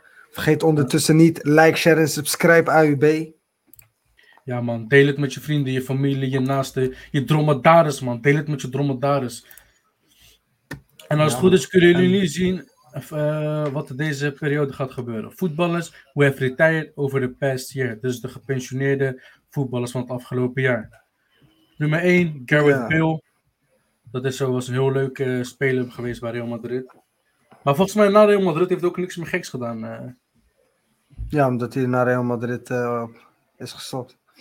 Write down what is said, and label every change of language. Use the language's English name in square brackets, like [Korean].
[Dutch] Vergeet ondertussen niet, like, share en subscribe AUB. Ja man, deel het met je vrienden, je familie, je naasten, je dromedaris man. Deel het met je dromedaris. En als ja, het goed is, kunnen jullie nu zien wat deze periode gaat gebeuren. [English] Voetballers, we have retired over the past year. [Dutch] Dus de gepensioneerde voetballers van het afgelopen jaar. Nummer 1, Gareth Bale. Dat is was een heel leuke speler geweest bij Real Madrid. Maar volgens mij, na Real Madrid heeft ook niks meer geks gedaan. Ja, omdat hij naar Real Madrid is gestopt.